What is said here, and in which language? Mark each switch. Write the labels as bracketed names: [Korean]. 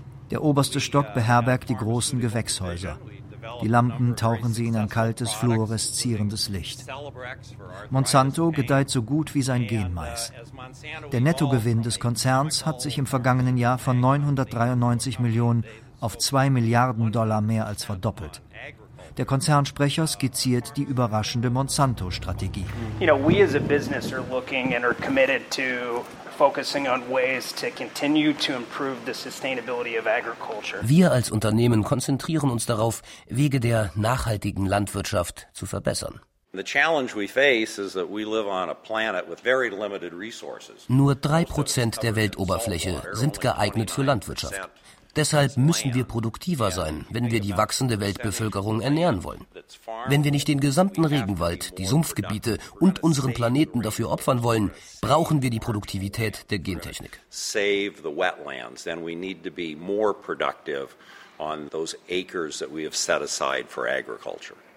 [German] Der oberste Stock beherbergt die großen Gewächshäuser. Die Lampen tauchen sie in ein kaltes, fluoreszierendes Licht. Monsanto gedeiht so gut wie sein Genmais. Der Nettogewinn des Konzerns hat sich im vergangenen Jahr von 993 Millionen auf 2 Milliarden Dollar mehr als verdoppelt. Der Konzernsprecher skizziert die überraschende Monsanto-Strategie. [English] You know, we as a business are looking and are committed to focusing on ways to continue to improve the sustainability of agriculture. [German] Wir als Unternehmen konzentrieren uns darauf, Wege der nachhaltigen Landwirtschaft zu verbessern. [English] The challenge we face is that we live on a planet with very limited resources. [German] Nur 3% der Weltoberfläche sind geeignet für Landwirtschaft. Deshalb müssen wir produktiver sein, wenn wir die wachsende Weltbevölkerung ernähren wollen. Wenn wir nicht den gesamten Regenwald, die Sumpfgebiete und unseren Planeten dafür opfern wollen, brauchen wir die Produktivität der Gentechnik. [English] Save the wetlands, then we need to be more productive on those acres that we have set aside for agriculture.